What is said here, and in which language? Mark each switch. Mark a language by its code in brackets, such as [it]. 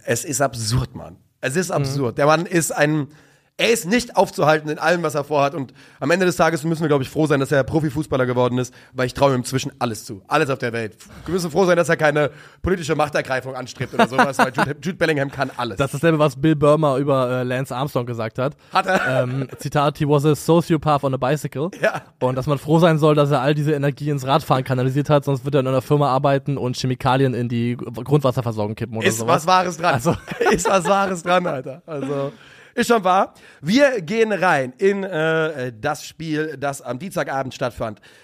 [de] Es ist absurd, Mann. Es ist absurd. Mhm. Der Mann ist ein, er ist nicht aufzuhalten in allem, was er vorhat und am Ende des Tages müssen wir, glaube ich, froh sein, dass er Profifußballer geworden ist, weil ich traue ihm inzwischen alles zu, alles auf der Welt. Wir müssen froh sein, dass er keine politische Machtergreifung anstrebt oder sowas, weil Jude Bellingham kann alles. Das ist dasselbe, was Bill Burmer über Lance Armstrong gesagt hat. Hat er. [en] Zitat, he was a sociopath on a bicycle. [de] Ja. Und dass man froh sein soll, dass er all diese Energie ins Radfahren kanalisiert hat, sonst wird er in einer Firma arbeiten und Chemikalien in die Grundwasserversorgung kippen oder ist sowas. Ist was Wahres dran. Also. Ist was Wahres dran, Alter. Also... Ist schon wahr. Wir gehen rein in das Spiel, das am Dienstagabend stattfand.